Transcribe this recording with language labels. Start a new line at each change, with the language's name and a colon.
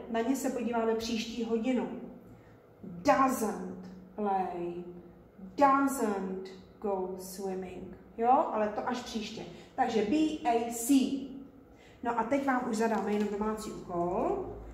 Czech: Na ně se podíváme příští hodinu.
English: Doesn't play, doesn't go swimming.
Czech: Jo, ale to až příště. Takže BAC. No a teď vám už zadáme jenom domácí úkol.